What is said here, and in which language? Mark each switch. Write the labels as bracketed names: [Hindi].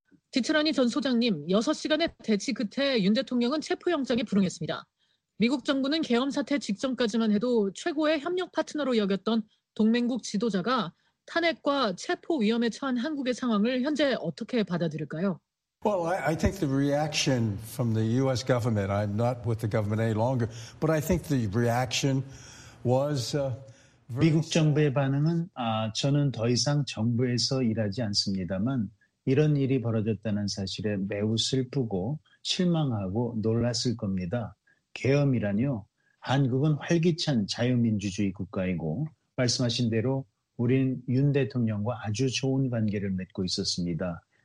[Korean] 디트라니 전 소장님, 6시간의 대치 끝에 윤 대통령은 체포영장에 불응했습니다. 미국 정부는 계엄 사태 직전까지만 해도 최고의 협력 파트너로 여겼던 동맹국 지도자가 탄핵과 체포 위험에 처한 한국의 상황을 현재 어떻게 받아들일까요? [English] Well, I think the reaction from the U.S. government, I'm not with the government any longer, but I think the reaction was... [Korean] 미국 정부의 반응은 저는 더 이상 정부에서 일하지 않습니다만 이런 일이 벌어졌다는 사실에 매우 슬프고 실망하고 놀랐을 겁니다. 계엄이라뇨? 한국은 활기찬 자유민주주의 국가이고 말씀하신 대로 우린 윤 대통령과 아주 좋은 관계를 맺고 있었습니다.